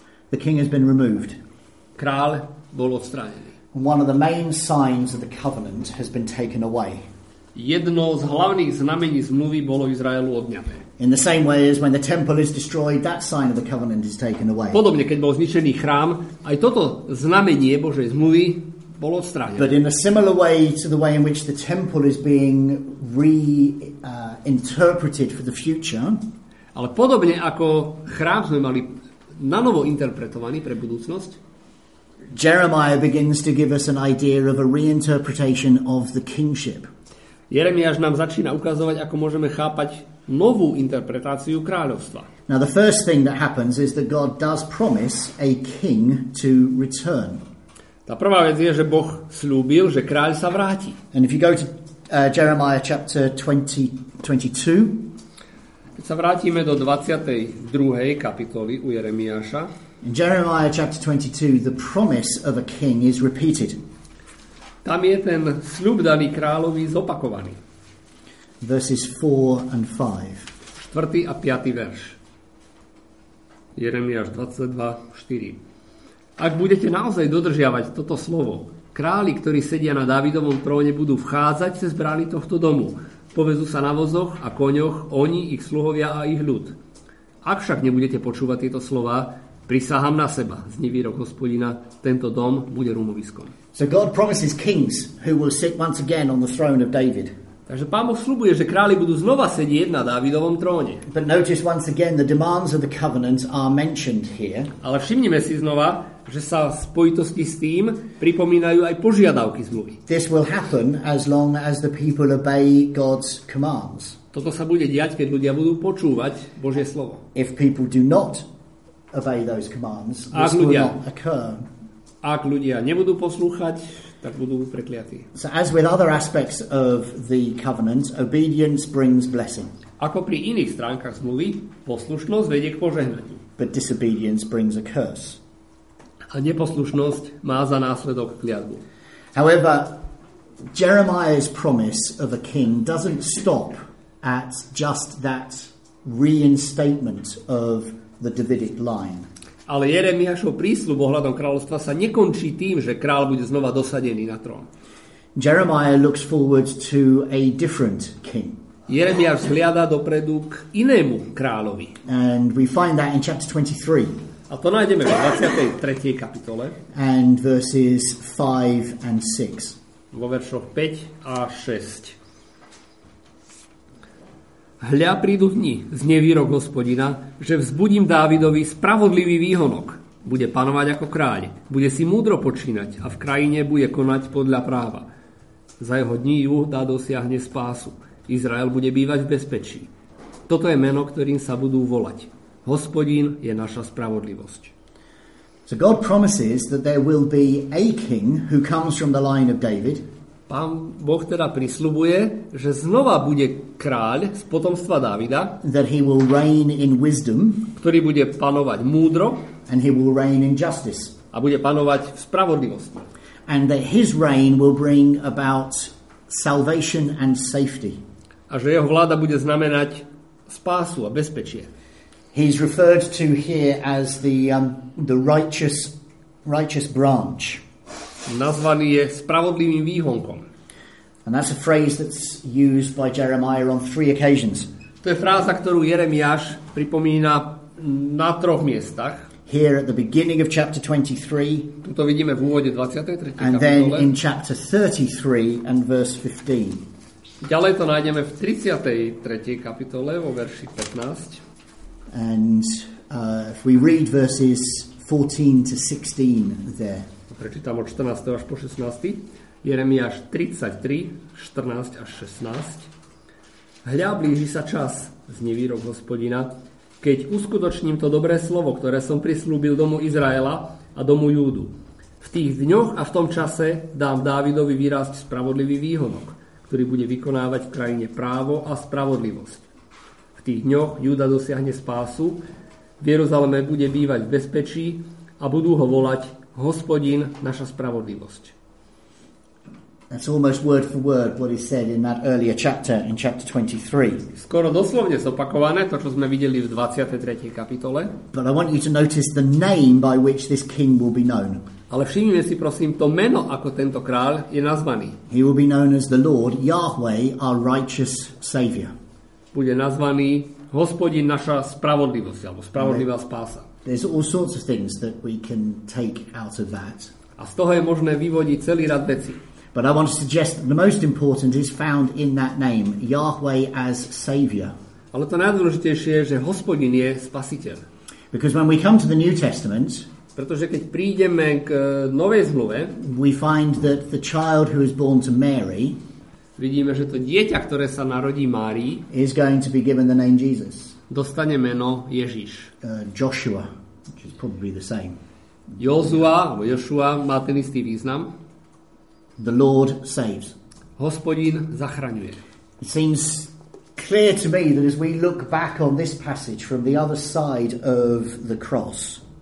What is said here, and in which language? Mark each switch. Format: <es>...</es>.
<en>The king has been removed.</en> <sk>Král bol odstránený.</sk> <en>One of the main signs of the covenant has been taken away.</en> <sk>Jedno z hlavných znamení zmluvy bolo Izraelu odňaté.</sk> <en>In the same way as when the temple is destroyed, that sign of the covenant is taken away.</en> <sk>Podobne keď bol zničený chrám, aj toto znamenie Božej zmluvy bolo odstránené.</sk> <en>But in a similar way to the way in which the temple is being reinterpreted for the future.</en> <sk>Ale podobne ako chrám sme mali na novo interpretovaný pre budúcnosť.</sk> <en>Jeremiah begins to give us an idea of a reinterpretation of the kingship.</en> <sk>Jeremiáš nám začína ukazovať, ako môžeme chápať novú interpretáciu kráľovstva.</sk> <en>Now the first thing that happens is that God does promise a king to return.</en> <sk>Tá prvá vec je, že Boh slúbil, že kráľ sa vráti.</sk> <en>And if you go to Jeremiah chapter 22.</en> <sk>Keď sa vrátime do 22. kapitoly u Jeremiáša.</sk> <en>In Jeremiah chapter 22 the promise of a king is repeated.</en> <sk>Tam je ten sľub daný kráľovi zopakovaný.</sk> <en>Verses 4 and 5.</en> <sk>4. a 5. verš. Jeremiáš 22:4. Ak budete naozaj dodržiavať toto slovo, králi, ktorí sedia na Dávidovom tróne, budú vchádzať cez brány tohto domu. Povezú sa na vozoch a koňoch, oni, ich sluhovia a ich ľud. Ak však nebudete počúvať tieto slova, prisahám na seba, znie výrok Hospodina, tento dom bude rúmoviskom.</sk> <en>So God promises kings who will sit once again on the throne of David.</en> <sk>Takže Pán Boh sľubuje, že králi budú znova sedieť na Dávidovom tróne.</sk> <en>But notice once again the demands of the covenant are mentioned here.</en> <sk>Ale všimnime si znova, že sa v spojitosti s tým pripomínajú aj požiadavky zmluvy.</sk> <en>This will happen as long as the people obey God's commands.</en> <sk>Toto sa bude diať, keď ľudia budú počúvať Božie slovo.</sk> <en>If people do not obey those commands, this will not occur.</en> <sk>Ak ľudia nebudú poslúchať, tak budú prekliatí.</sk> <en>So as with other aspects of the covenant, obedience brings blessing.</en> <sk>Ako pri iných stránkach zmluvy, poslušnosť vedie k požehnaniu.</sk> <en>But disobedience brings a curse.</en> <sk>A neposlušnosť má za následok kliatbu.</sk> <en>However, Jeremiah's promise of a king doesn't stop at just that reinstatement of the Davidic line.</en> <sk>Ale Jeremiášov prísľub ohľadom kráľovstva sa nekončí tým, že kráľ bude znova dosadený na trón.</sk> <en>Jeremiah looks forward to a different king.</en> <sk>Jeremiáš hľadá dopredu k inému kráľovi.</sk> <en>And we find that in chapter 23.</en> <sk>A to nájdeme v 23. kapitole.</sk> <en>And verses 5 and 6.</en> <sk>Vo veršoch 5 a 6. Hľa, prídu dni, znie výrok Hospodina, že vzbudím Dávidovi spravodlivý výhonok. Bude panovať ako kráľ, bude si múdro počínať a v krajine bude konať podľa práva. Za jeho dní Júda dosiahne spásu. Izrael bude bývať v bezpečí. Toto je meno, ktorým sa budú volať. Hospodin je naša spravodlivosť.</sk> <en>So God promises that there will be a king who comes from the line of David.</en> <sk>Pán Boh teda prisľubuje, že znova bude kráľ z potomstva Dávida,</sk> <en>that he will reign in wisdom,</en> <sk>ktorý bude panovať múdro,</sk> <en>and he will reign in justice,</en> <sk>a bude panovať v spravodlivosti.</sk> <en>And that his reign will bring about salvation and safety.</en> <sk>A že jeho vláda bude znamenať spásu a bezpečie.</sk> <en>He's referred to here as the righteous branch.</en> <sk>Nazvaný je spravodlivým výhonkom.</sk> <en>And that's a phrase that's used by Jeremiah on three occasions.</en> <sk>To je fráza, ktorú Jeremiáš pripomína na troch miestach.</sk> <en>Here at the beginning of chapter 23.</en> <sk>Tuto vidíme v úvode 23. kapitole.</sk> <en>And then in chapter 33 and verse 15.</en> <sk>Ďalej to nájdeme v 33. kapitole vo verši 15.</sk> <en>And if we read verses 14 to 16 there.</en> <sk>prečítam od 14. až po 16. Jeremiáš 33, 14 až 16. Hľa, blíži sa čas, znie výrok Hospodina, keď uskutočním to dobré slovo, ktoré som prislúbil domu Izraela a domu Júdu. V tých dňoch a v tom čase dám Dávidovi vyrásť spravodlivý výhonok, ktorý bude vykonávať v krajine právo a spravodlivosť. V tých dňoch Júda dosiahne spásu, v Jeruzaleme bude bývať v bezpečí a budú ho volať Hospodin, naša spravodlivosť.</sk> <en>That's almost word for word what is said in that earlier chapter, in chapter 23.</en> <sk>Skoro doslovne zopakované to, čo sme videli v 23. kapitole.</sk> <en>But I want you to notice the name by which this king will be known.</en> <sk>Ale všimnime si prosím to meno, ako tento kráľ je nazvaný.</sk> <en>He will be known as the Lord Yahweh, our righteous savior.</en> <sk>Bude nazvaný Hospodin, naša spravodlivosť, alebo spravodlivá spása.</sk> <en>There's all sorts of things that we can take out of that.</en> <sk>A z toho je možné vyvodiť celý rad vecí.</sk> <en>But I want to suggest the most important is found in that name, Yahweh as savior.</en> <sk>Ale to najdôležitejšie je, že Hospodin je spasiteľ.</sk> <en>Because when we come to the New Testament,</en> <sk>pretože keď prídeme k novej zmluve,</sk> <en>we find that the child who is born to Mary,</en> <sk>vidíme, že to dieťa, ktoré sa narodí Márii,</sk> <en>is going to be given the name Jesus.</en> <sk>Dostane meno Ježiš.</sk> <en>Joshua, which is probably the same.</en> <sk>Joshua, alebo Joshua má ten istý význam.</sk> <en>The Lord saves.</en> <sk>Hospodin zachraňuje.</sk> <en>It seems clear to me that as we look back on this passage from the other side of the cross.</en>